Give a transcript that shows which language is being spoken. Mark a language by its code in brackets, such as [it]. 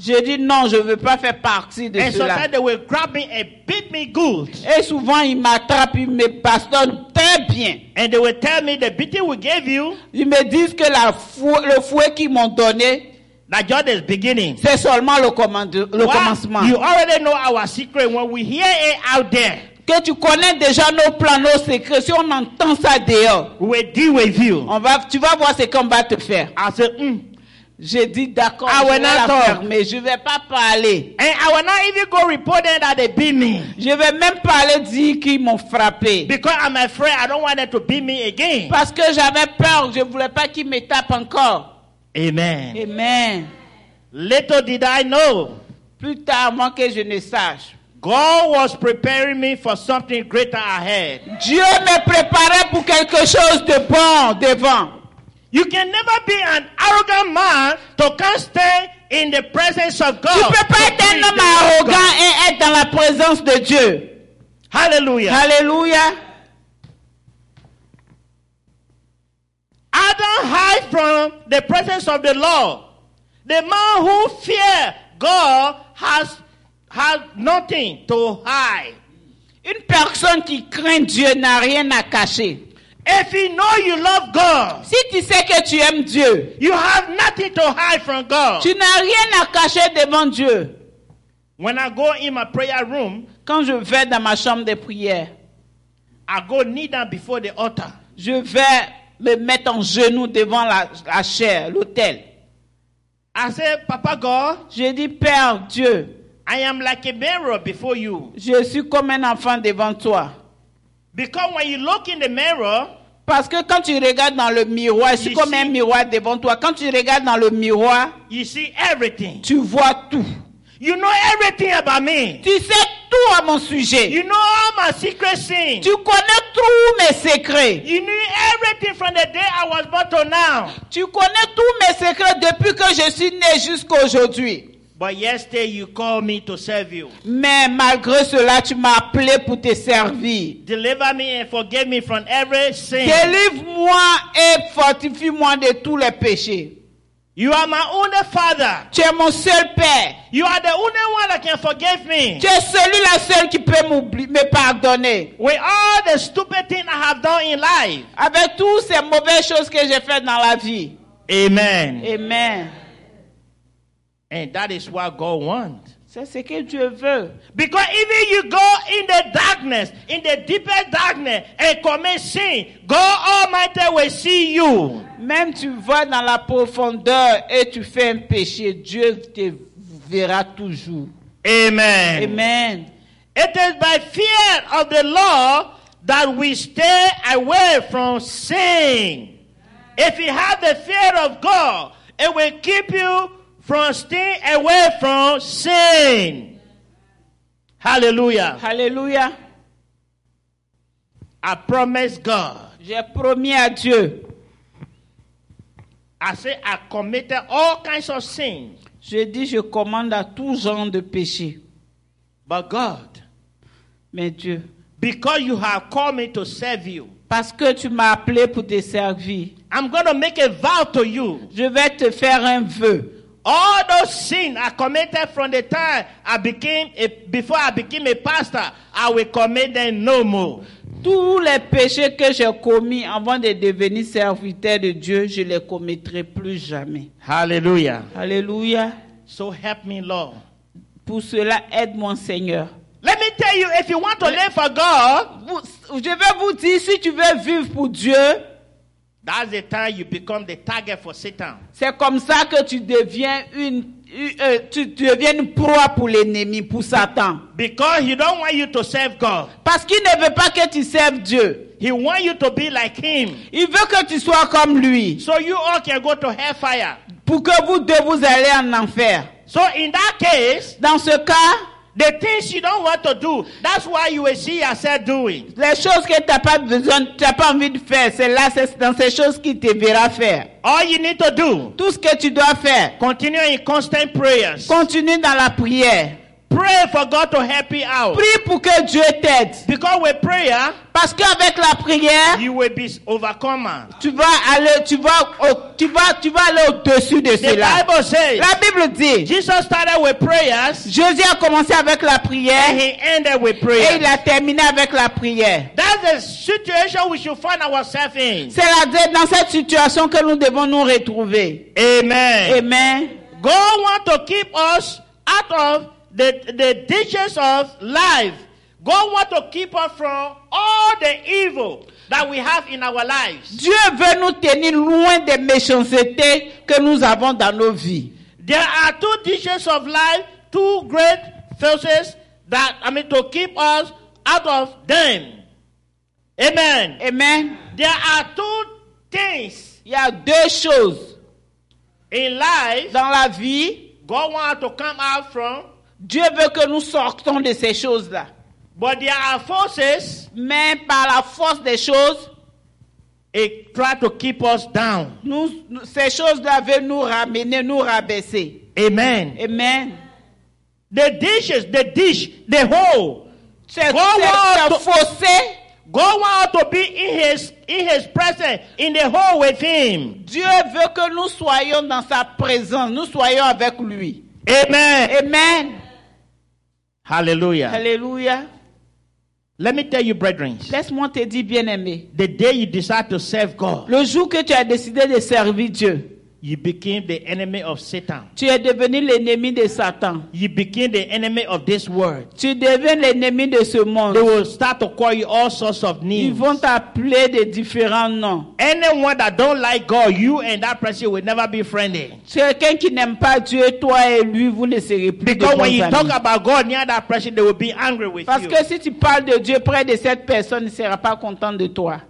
[fr] J'ai dit non, je veux pas faire partie de [en] and [fr] cela. [en] And sometimes they will grab me and beat me good. [fr] Et souvent ils m'attrapent, ils me bastonnent très bien. [en] And they will tell me the beating we gave you. [fr] Ils me disent que le fouet qu'ils m'ont donné. [en] That just is beginning. [fr] C'est seulement le commencement. [en] You already know our secret when we hear it out there. [fr] Que tu connais déjà nos plans, nos secrets. Si on entend ça dehors, [en] we deal with you. [fr] Tu vas voir ce qu'on va te faire. [en] I said, [fr] J'ai dit d'accord. [en] I will not talk. [fr] Mais je vais pas parler. [en] And I will not even go report them that they beat me. [fr] Je vais même pas aller dire qu'ils m'ont frappé. [en] Because I'm afraid, I don't want them to beat me again. [fr] Parce que j'avais peur, je voulais pas qu'ils me tapent encore. [en] Amen. [fr] Amen. [en] Little did I know. [fr] Plus tard, moi que je ne sache. [en] God was preparing me for something greater ahead. [fr] Dieu me préparait pour quelque chose de bon devant. [en] You can never be an arrogant man to can't stay in the presence of God. [fr] Tu peux pas être un homme arrogant et être dans la présence de Dieu. [en] Hallelujah. [fr] Hallelujah. [en] Adam hide from the presence of the Lord. The man who fears God has nothing to hide. [fr] Une personne qui craint Dieu n'a rien à cacher. [en] If you know you love God, [fr] si tu sais que tu aimes Dieu, [en] you have nothing to hide from God. [fr] Tu n'as rien à cacher devant Dieu. [en] When I go in my prayer room, [fr] quand je vais dans ma chambre de prière, [en] I go kneel down before the altar. [fr] Je vais me mettre en genoux devant la chair, l'autel. [en] I say, Papa God, [fr] je dis Père Dieu, [en] I am like a mirror before you. [fr] Je suis comme un enfant devant toi. [en] Because when you look in the mirror, [fr] parce que quand tu regardes dans le miroir, je suis comme un miroir devant toi. Quand tu regardes dans le miroir, [en] you see everything. [fr] Tu vois tout. [en] You know everything about me. [fr] Tu sais tout à mon sujet. [en] You know all my secret sins. [fr] Tu connais tous mes secrets. [en] You knew everything from the day I was born to now. [fr] Tu connais tous mes secrets depuis que je suis né jusqu'aujourd'hui. [en] But yesterday you called me to serve you. [fr] Mais malgré cela, tu m'as appelé pour te servir. [en] Deliver me and forgive me from every sin. [fr] Délivre-moi et fortifie-moi de tous les péchés. [en] You are my only father. [fr] Tu es mon seul père. [en] You are the only one that can forgive me. [fr] Tu es celui la seule qui peut me pardonner. [en] With all the stupid things I have done in life. [fr] Avec toutes ces mauvaises choses que j'ai faites dans la vie. [en] Amen. [fr] Amen. [en] And that is what God wants. [fr] C'est ce que Dieu veut. [en] Because even you go in the darkness, in the deepest darkness, and commit sin, God Almighty will see you. [fr] Même tu vas dans la profondeur et tu fais un péché, Dieu te verra toujours. [en] Amen. [fr] Amen. [en] It is by fear of the law that we stay away from sin. If you have the fear of God, it will keep you from staying away from sin. Hallelujah. [fr] Hallelujah. [en] I promise God. [fr] J'ai promis à Dieu. [en] I say I committed all kinds of sins. [fr] Je dis je commande à tout genre de péché. [en] But God, [fr] mais Dieu, [en] because you have called me to serve you, [fr] parce que tu m'as appelé pour te servir, [en] I'm going to make a vow to you. [fr] Je vais te faire un vœu. [en] All those sins I committed from the time I became before I became a pastor, I will commit them no more. [fr] Tous les péchés que j'ai commis avant de devenir serviteur de Dieu, je les commettrai plus jamais. [en] Hallelujah. [fr] Hallelujah. [en] So help me, Lord. [fr] Pour cela, aide-moi, Seigneur. [en] Let me tell you, if you want to live for God, [fr] je vais vous dire, si tu veux vivre pour Dieu, [en] that's the time you become the target for Satan. [fr] C'est comme ça que tu deviens tu deviens une proie pour l'ennemi, pour Satan. [en] Because he don't want you to serve God. [fr] Parce qu'il ne veut pas que tu serves Dieu. [en] He want you to be like him. [fr] Il veut que tu sois comme lui. [en] So you all can go to hellfire. [fr] Pour que vous deux vous allez en enfer. [en] So in that case, [fr] dans ce cas, [en] the things you don't want to do, that's why you will see yourself doing. [fr] Les choses que t'as pas besoin, t'as pas envie de faire, c'est là, c'est dans ces choses qui te verra faire. [en] All you need to do, [fr] tout ce que tu dois faire, [en] continue in constant prayers. [fr] Continue dans la prière. [en] Pray for God to help you out. [fr] Prie pour que Dieu t'aide. [en] Because with prayer, [fr] parce qu'avec la prière, [en] you will be overcome. [fr] Tu vas aller au-dessus de cela. [en] The Bible says, [fr] la Bible dit, [en] Jesus started with prayers. [fr] Jésus a commencé avec la prière. [en] And he ended with prayer. [fr] Et il a terminé avec la prière. [en] That's the situation we should find ourselves in. [fr] C'est dans cette situation que nous devons nous retrouver. [en] Amen. [fr] Amen. [en] God wants to keep us out of the dishes of life. God wants to keep us from all the evil that we have in our lives. [fr] Dieu veut nous tenir loin des méchancetés que nous avons dans nos vies. [en] There are two dishes of life, two great forces to keep us out of them. Amen. [fr] Amen. [en] There are two things. [fr] Il y a deux choses. [en] In life, [fr] dans la vie, [en] God wants to come out from. [fr] Dieu veut que nous sortons de ces choses-là. [en] But there are forces, [fr] mais par la force des choses, [en] it try to keep us down. [fr] Ces choses-là veulent nous ramener, nous rabaisser. [en] Amen. [fr] Amen. [en] The dishes, the dish, the hole. [fr] C'est un fossé. [en] God wants to be in his presence, in the hall with him. [fr] Dieu veut que nous soyons dans sa présence, nous soyons avec lui. [en] Amen. [fr] Amen. [en] Hallelujah. [fr] Hallelujah. [en] Let me tell you, brethren. [fr] Laisse-moi te dire, bien-aimé. [en] The day you decide to serve God. [fr] Le jour que tu as décidé de servir Dieu. [en] You became the enemy of Satan. [fr] Tu es devenu l'ennemi de Satan. [en] You became the enemy of this world. [fr] Tu deviens l'ennemi de ce monde. [en] They will start to call you all sorts of names. [fr] Ils vont t'appeler de différents noms. [en] Anyone that don't like God, you and that person will never be friendly. [fr] Quelqu'un qui n'aime pas Dieu, toi et lui, vous ne serez plus de bons amis. [en] Because when you talk about God near that person, they will be angry with you. [fr] Parce que si tu parles de Dieu près de cette personne, il ne sera pas content de toi.